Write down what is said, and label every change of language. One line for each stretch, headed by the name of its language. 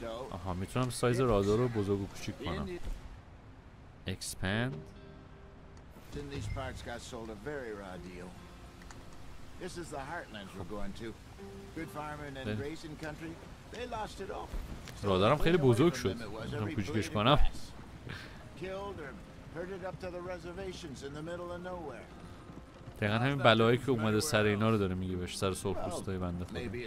Persian: آها میتونم سایز رادار رو بزرگ و کوچیک کنم.
English: Expand. Then these parts got sold a very raw deal. This is the heartlands we're going to. Good farming and grazing country. They lost it all.
Persian: رادارم خیلی بزرگ شد. میتونم کوچیکش کنم.
English: Killed or herded up to the reservations in the middle of nowhere.
Persian: دقیقا همین بلایی که اومده سر اینا رو داره میگه بهش، سر سرخپوستای بنده خدا.